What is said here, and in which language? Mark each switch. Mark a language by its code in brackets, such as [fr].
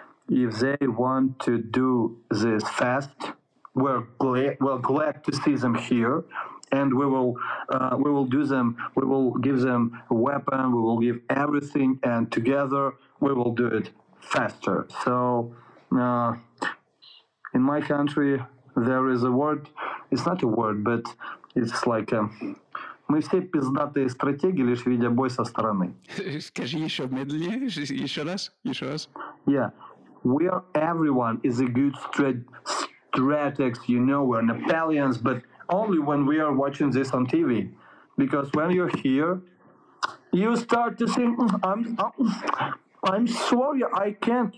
[en] If they want to do this fast, we're glad to see them here, and we will give them a weapon, we will give everything, and together we will do it faster. So, in my country, there is a word, it's not a word, but it's like, [ru] мы все пиздатые стратеги, лишь видя бой со стороны. Скажи еще медленнее, еще раз. [en] Yeah, everyone is a good strategist, you know, we're Napoleons, but only when we are watching this on TV. Because when you're here, you start to think, I'm sorry, I can't.